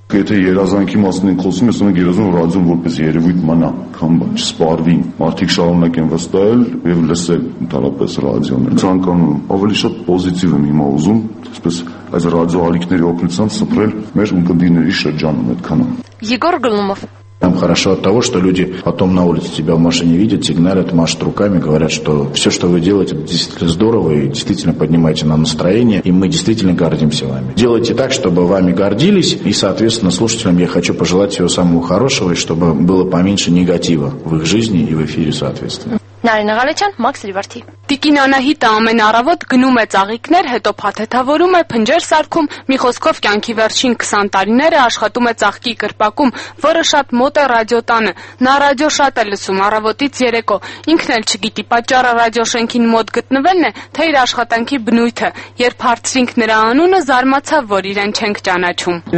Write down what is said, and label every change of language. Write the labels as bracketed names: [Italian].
[Armenian] Եթե երազանքի մասին խոսում ես, ուղղակի երազով ռադիոն որպես երևույթ մնա, կամ չսպառվի, մարդիկ շարունակեն վստահել եւ լսել ընդհանրապես ռադիոն։ Ցանկանում եմ ավելի շատ պոզիտիվ եմ հիմա ուզում, այսպես այս ռադիո ալիքների օգնությամբ սփռել մեր ունկնդիրների շրջանում այդքան։ Եգոր Գլումով. [Russian] Там хорошо от того, что люди потом на улице тебя в машине видят, сигналят, машут руками, говорят, что все, что вы делаете, действительно здорово и действительно поднимаете нам настроение, и мы действительно гордимся вами. Делайте так, чтобы вами гордились, и, соответственно, слушателям я хочу пожелать всего самого хорошего, и чтобы было поменьше негатива в их жизни и в эфире, соответственно. [Armenian] Նարեն Աղալեչյան, Մաքս Լիվարդի։ Տիկին Անահիտը ամեն առավոտ գնում է ծաղիկներ, հետո փաթեթավորում է փնջեր սարքում, մի խոսքով կյանքի վերջին 20 տարիները աշխատում է ծաղկի կրպակում, որը շատ մոտ է ռադիոտանը։ Նա ռադիո շատ է լսում առավոտից երեկո, ինքն էլ չգիտի պատճառը ռադիոշենքին մոտ գտնվելն է, թե իր աշխատանքի բնույթը, երբ հարցրինք նրա անունը, զարմացավ, որ իրեն չենք ճանաչում։